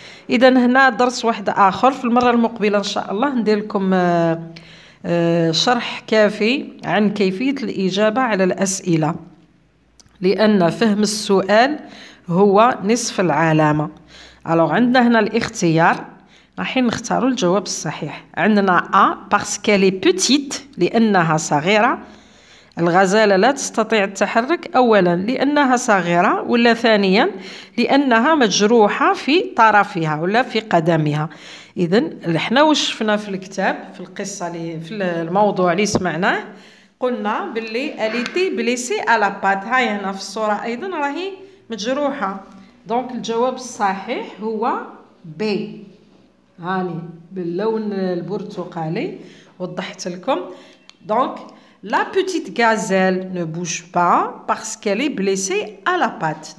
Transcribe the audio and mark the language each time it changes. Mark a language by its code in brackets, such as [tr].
[ar] إذن هنا درس واحد آخر في المرة المقبلة إن شاء الله ندير لكم شرح كافي عن كيفية الإجابة على الأسئلة لأن فهم السؤال هو نصف العلامة. ألوغ عندنا هنا الاختيار راح نختاروا الجواب الصحيح. عندنا [fr] A parce qu'elle est petite [ar] لأنها صغيرة. الغزالة لا تستطيع التحرك أولا لأنها صغيرة ولا ثانيا لأنها مجروحة في طرفها ولا في قدمها. إذن احنا وشفنا في الكتاب في القصة في الموضوع اللي سمعناه قلنا باللي [fr] أليتي بليسي على بات. [ar] هاي هنا في الصورة أيضا راهي مجروحة. دونك الجواب الصحيح هو B هاني باللون البرتقالي وضحت لكم. دونك [fr] La petite gazelle ne bouge pas parce qu'elle est blessée à la patte.